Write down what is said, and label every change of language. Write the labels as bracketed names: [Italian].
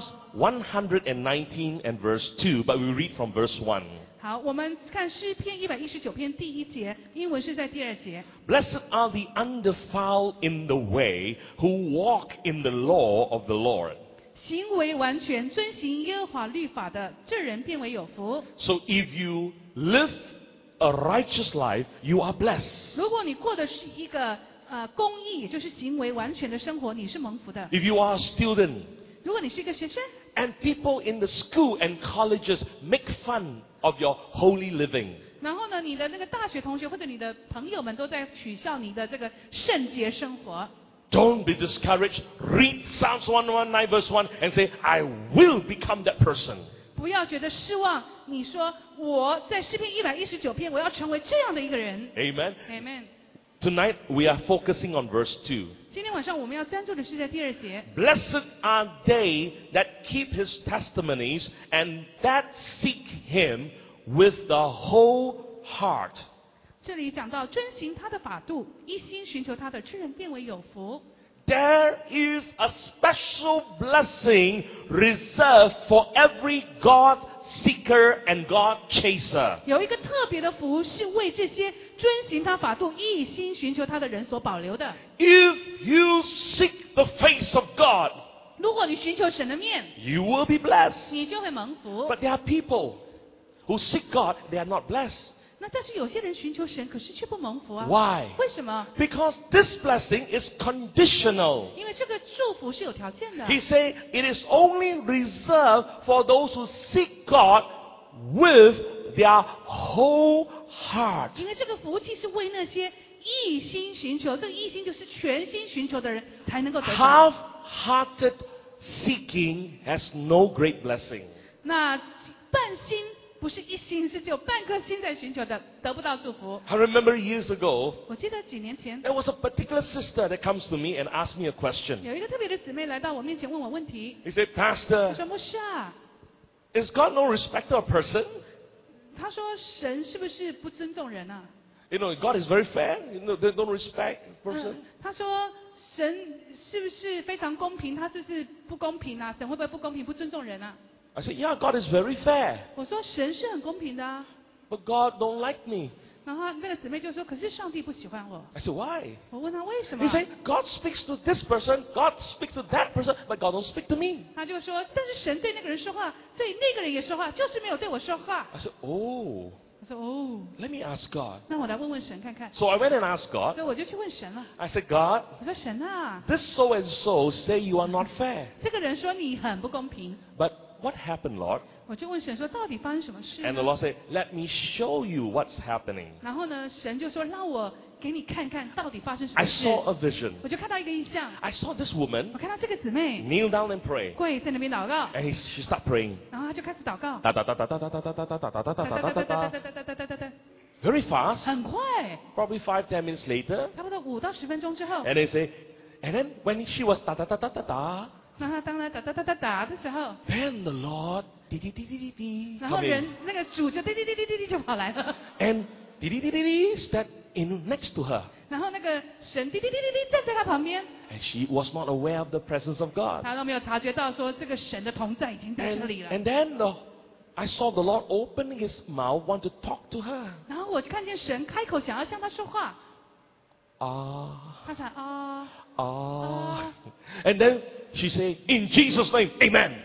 [English] Psalms 119 and verse 2, but we read from verse 1. [Chinese] 好，我们看诗篇119篇第一节，英文是在第二节。 [English] Blessed are the undefiled in the way who walk in the law of the Lord. [Chinese] 行为完全遵行耶和华律法的，这人变为有福。 [English] So if you live a righteous life, you are blessed. [Chinese] 如果你过的是一个公义，也就是行为完全的生活，你是蒙福的。 [English] If you are a student, [Chinese] 如果你是一个学生， [English] and people in the school and colleges make fun of your holy living, [Chinese] 然后呢，你的那个大学同学或者你的朋友们都在取笑你的这个圣洁生活。 [English] Don't be discouraged. Read Psalms 119 verse 1 and say, I will become that person. [Chinese] 不要觉得失望，你说我在诗篇119篇，我要成为这样的一个人。 [English] Amen. Amen. Tonight we are focusing on verse 2. [Chinese] 今天晚上我们要专注的是在第二节。 [English] Blessed are they that keep his testimonies and that seek him with the whole heart. [Chinese] 这里讲到遵行他的法度，一心寻求他的，这人变为有福。 [English] There is a special blessing reserved for every God seeker and God chaser. [Chinese] 有一个特别的福是为这些遵行他法度、一心寻求他的人所保留的。 [English] If you seek the face of God, [Chinese] 如果你寻求神的面， [English] you will be blessed. [Chinese] 你就会蒙福。 [English] But there are people who seek God, they are not blessed. [Chinese] 那但是有些人寻求神，可是却不蒙福啊。 [English] Why? [Chinese] 为什么？ [English] Because this blessing is conditional. [Chinese] 因为这个祝福是有条件的。 [English] He said it is only reserved for those who seek God with their whole heart. [Chinese] 因为这个福气是为那些一心寻求，这个一心就是全心寻求的人才能够得到。 [English] Half-hearted seeking has no great blessing. [Chinese] 那半心。不是一心，是只有半颗心在寻求的，得不到祝福。 [English] I remember years ago, [Chinese] 我记得几年前， [English] there was a particular sister that comes to me and asked me a question. [Chinese] 有一个特别的姊妹来到我面前问我问题。 [English] He said, Pastor, [Chinese] 她说牧师啊， [English] is God no respecter of person? [Chinese] 她说神是不是不尊重人啊？ [English] You know, God is very fair, you know, they don't respect person. [Chinese] 她说神是不是非常公平，他是不是不公平啊？神会不会不公平，不尊重人啊？ [English] I said, yeah, God is very fair. [Chinese] 我说神是很公平的啊。 [English] But God don't like me. [Chinese] 然后那个姊妹就说，可是上帝不喜欢我。 [English] I said, why? [Chinese] 我问她为什么。 [English] He said, God speaks to this person, God speaks to that person, but God don't speak to me. [Chinese] 她就说，但是神对那个人说话，对那个人也说话，就是没有对我说话。 [English] I said, oh. [Chinese] 我说 oh. [English] Let me ask God. [Chinese] 那我来问问神看看。 [English] So I went and asked God. [Chinese] 所以我就去问神了。 [English] I said, God. [Chinese] 我说神啊。 [English] This so and so say you are not fair. [Chinese] 这个人说你很不公平。 [English] But What happened, Lord? [Chinese] 我就问神说，到底发生什么事？ [English] And the Lord said, "Let me show you what's happening." [Chinese] 然后呢，神就说，让我给你看看到底发生什么事。 [English] I saw a vision. [Chinese] 我就看到一个异象。 [English] I saw this woman. [Chinese] 我看到这个姊妹。 [English] Kneel down and pray. [Chinese] 跪在那边祷告。 [English] And she start praying. [Chinese] 然后她就开始祷告。哒哒哒哒哒哒哒哒哒哒哒哒哒哒哒哒哒哒哒哒哒哒。 [English] Very fast. [Chinese] 很快。 [English] Probably 5-10 minutes later. [Chinese] 差不多五到十分钟之后。 [English] And they say, and then when she was da da da da da da. [Chinese] 然后当他打打打打打的时候 [English] ，Then the Lord 滴滴滴滴滴滴， [Chinese] 然后人那个主就滴滴滴滴滴滴就跑来了 [English] ，And 滴滴滴滴滴 step in next to her， [Chinese] 然后那个神滴滴滴滴滴站在他旁边 [English] ，And she was not aware of the presence of God， [Chinese] 他都没有察觉到说这个神的同在已经在这里了 [English] ，And then I saw the Lord opening his mouth want to talk to her， [Chinese] 然后我就看见神开口想要向他说话，啊、uh,。她才啊 [English] 啊 ，and then she said, "In Jesus' name, Amen."